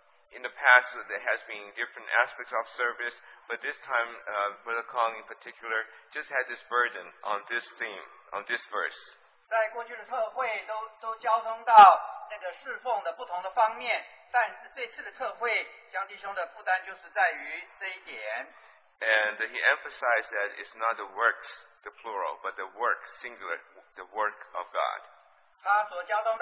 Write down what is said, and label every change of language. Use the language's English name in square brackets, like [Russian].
[English] in the past there has been different aspects of service, but this time Brother Kong in particular just had this burden on this theme, on this verse. [Chinese] 在过去的特会都交通到那个侍奉的不同的方面。但是这次的特会，将弟兄的负担就是在于这一点。 [English] And he emphasized that it's not the works, the plural, but the work, singular, the work of God.